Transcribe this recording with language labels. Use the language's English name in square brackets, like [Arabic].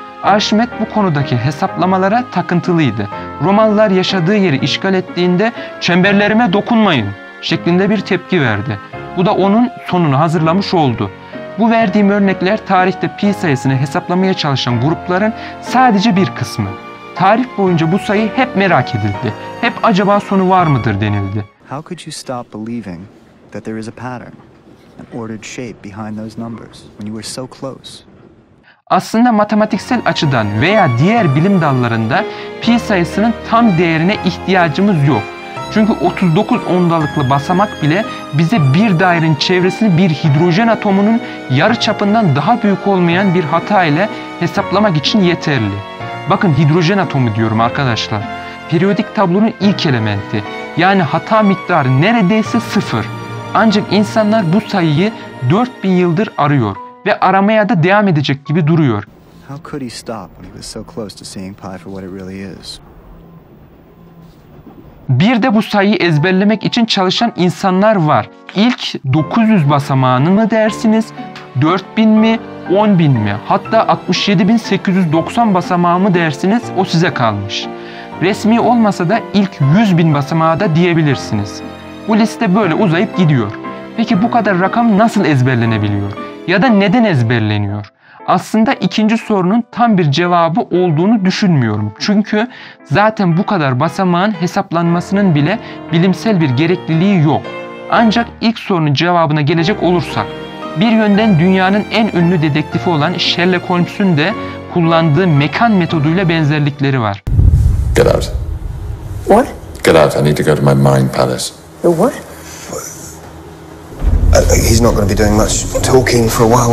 [Turkish] Arşimet bu konudaki hesaplamalara takıntılıydı. Romalılar yaşadığı yeri işgal ettiğinde "çemberlerime dokunmayın" şeklinde bir tepki verdi. Bu da onun sonunu hazırlamış oldu. Bu verdiğim örnekler tarihte pi sayısını hesaplamaya çalışan grupların sadece bir kısmı. Tarih boyunca bu sayı hep merak edildi. Hep acaba sonu var mıdır denildi. [English] How could you stop believing that there is a pattern, an ordered shape behind those numbers when you were so close? [Turkish] Aslında matematiksel açıdan veya diğer bilim dallarında pi sayısının tam değerine ihtiyacımız yok. Çünkü 39 ondalıklı basamak bile bize bir dairenin çevresini bir hidrojen atomunun yarı çapından daha büyük olmayan bir hata ile hesaplamak için yeterli. Bakın hidrojen atomu diyorum arkadaşlar. Periyodik tablonun ilk elementi. Yani hata miktarı neredeyse sıfır. Ancak insanlar bu sayıyı 4000 yıldır arıyor ve aramaya da devam edecek gibi duruyor. [English] How could he stop when he was so close to seeing pi for what it really is? [Turkish] Bir de bu sayıyı ezberlemek için çalışan insanlar var. İlk 900 basamağını mı dersiniz, 4000 mi, 10.000 mi, hatta 67.890 basamağı mı dersiniz, o size kalmış. Resmi olmasa da ilk 100.000 basamağı da diyebilirsiniz. Bu liste böyle uzayıp gidiyor. Peki bu kadar rakam nasıl ezberlenebiliyor? Ya da neden ezberleniyor? Aslında ikinci sorunun tam bir cevabı olduğunu düşünmüyorum. Çünkü zaten bu kadar basamağın hesaplanmasının bile bilimsel bir gerekliliği yok. Ancak ilk sorunun cevabına gelecek olursak, bir yönden dünyanın en ünlü dedektifi olan Sherlock Holmes'un de kullandığı mekan metoduyla benzerlikleri var. [English] Get out. What? Get out. I need to go to my mind palace. What? He's not going to be doing much talking for a while.